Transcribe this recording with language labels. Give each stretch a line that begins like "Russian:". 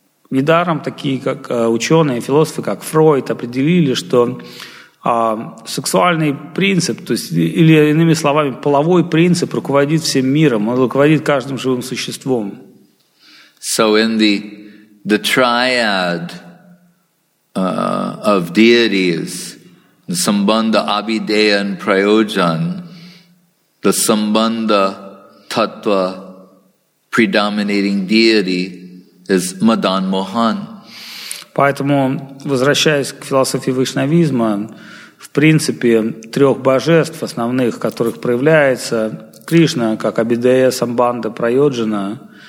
Russian: Недаром такие как ученые, философы, как Фрейд, определили, что сексуальный принцип, то есть, или иными словами, половой принцип руководит всем миром, он руководит каждым живым существом.
English: So in the triad of deities, the Sambandha, Abhideya and Prayojan, the Sambandha Tattva predominating deity is Madan Mohan.
Russian: Поэтому, возвращаясь к философии вайшнавизма, в принципе, трех божеств основных, которых проявляется Кришна, как Абидея, Самбанда, Прайоджана.